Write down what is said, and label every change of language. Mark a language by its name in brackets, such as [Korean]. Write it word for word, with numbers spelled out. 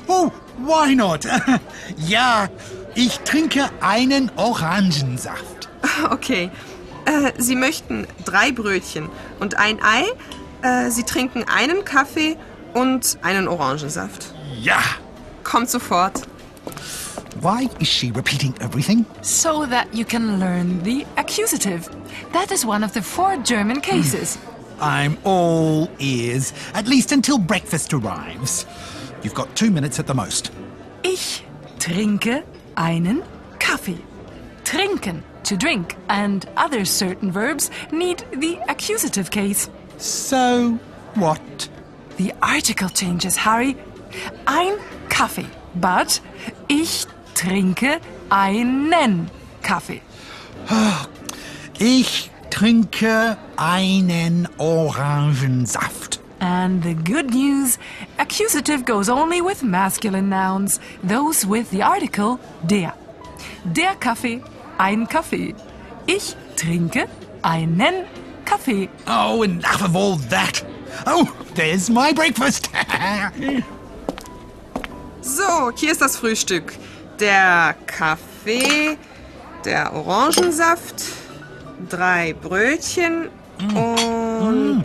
[English] Oh, why not? [German] Ja. Ich trinke einen Orangensaft. Okay. Äh, Sie möchten drei Brötchen und ein Ei. Äh, Sie trinken einen Kaffee und einen Orangensaft. Ja. Kommt sofort. [English] Why is she repeating everything? So that you can learn the accusative. That is one of the four German cases. I'm all ears, at least until breakfast arrives. You've got two minutes at the most. [German] Ich trinke einen Kaffee. [English] Trinken, to drink, and other certain verbs need the accusative case. So what? The article changes, Harry. [German] Ein Kaffee, [English] but [German] ich trinke einen Kaffee. Ich trinke einen Orangensaft. [English] And the good news, accusative goes only with masculine nouns, those with the article der. [German] Der Kaffee, ein Kaffee. Ich trinke einen Kaffee. [English] Oh, enough of all that. Oh, there's my breakfast. [German] So, hier ist das Frühstück. Der Kaffee, der Orangensaft, drei Brötchen und mm.